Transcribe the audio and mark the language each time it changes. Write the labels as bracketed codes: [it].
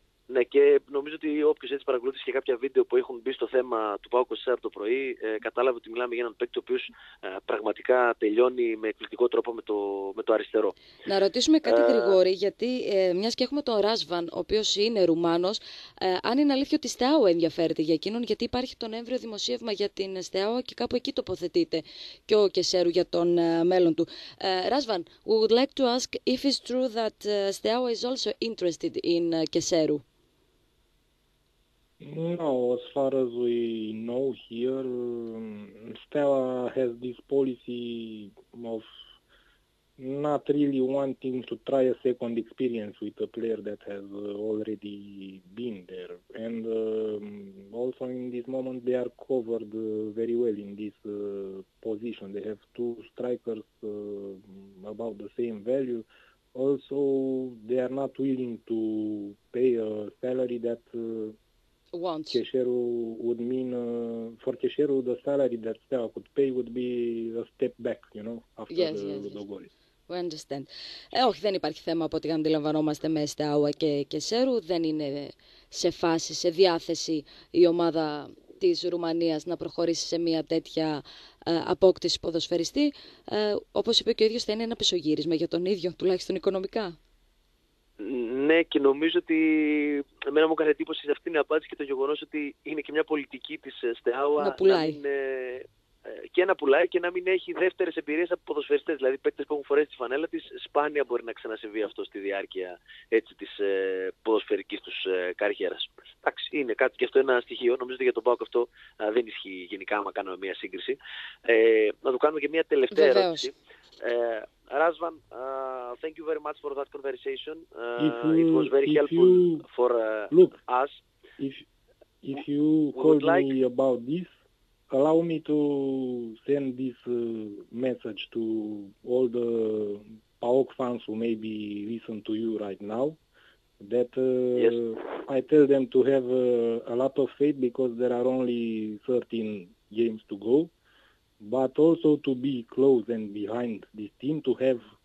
[el] Ναι, και νομίζω ότι όποιος έτσι παρακολούθησε και κάποια βίντεο που έχουν μπει στο θέμα του ΠΑΟΚ 24 το πρωί, κατάλαβε ότι μιλάμε για έναν παίκτη ο οποίος πραγματικά τελειώνει με εκπληκτικό τρόπο με το αριστερό. Να ρωτήσουμε κάτι, Γρηγόρη, γιατί μιας και έχουμε τον Ράσβαν, ο οποίος είναι Ρουμάνος, αν είναι αλήθεια ότι Στεάου ενδιαφέρεται για εκείνον, γιατί υπάρχει το Νοέμβριο δημοσίευμα για την Στεάου και κάπου εκεί τοποθετείται και ο Κεσέρου για τον μέλλον του. [en] Ράσβαν, we would like to ask if it's true that Στεάου is also interested in Κεσέρου. No, as far as we know here, Stella has this policy of not really wanting to try a second experience with a player that has already been there. And also in this moment they are covered very well in this position. They have two strikers about the same value. Also, they are not willing to pay a salary that Kesheru would mean for Kesheru the salary that Stella could pay would be a step back, you know, after the goal. We understand. [el] Όχι, δεν υπάρχει θέμα από ό,τι αντιλαμβανόμαστε με Στεάουα και Κεσέρου. Δεν είναι σε φάση, σε διάθεση η ομάδα της Ρουμανίας να προχωρήσει σε μια τέτοια απόκτηση ποδοσφαιριστή. Όπως είπε και ο ίδιος, θα είναι ένα πισωγύρισμα για τον ίδιο, τουλάχιστον οικονομικά. Ναι, και νομίζω ότι εμένα μου έκανε εντύπωση σε αυτήν την απάντηση και το γεγονός ότι είναι και μια πολιτική της Στεάουα να πουλάει. Να και να πουλάει και να μην έχει δεύτερες εμπειρίες από ποδοσφαιριστές. Δηλαδή, παίκτες που έχουν φορέσει τη φανέλα της, σπάνια μπορεί να ξανασυμβεί αυτό στη διάρκεια έτσι, της ποδοσφαιρικής τους καριέρας. Εντάξει, είναι κάτι και αυτό ένα στοιχείο. Νομίζω ότι για τον ΠΑΟΚ αυτό δεν ισχύει γενικά, άμα κάνουμε μια σύγκριση. Να του κάνουμε και μια τελευταία ερώτηση. [en] Ράσβαν, thank you very much for that conversation. It was very helpful for us. If you call me about this, allow me to send this message to all the PAOK fans who maybe listen to you right now, that I tell them to have a lot of faith because there are only 13 games to go, but also to be close and behind this team, to have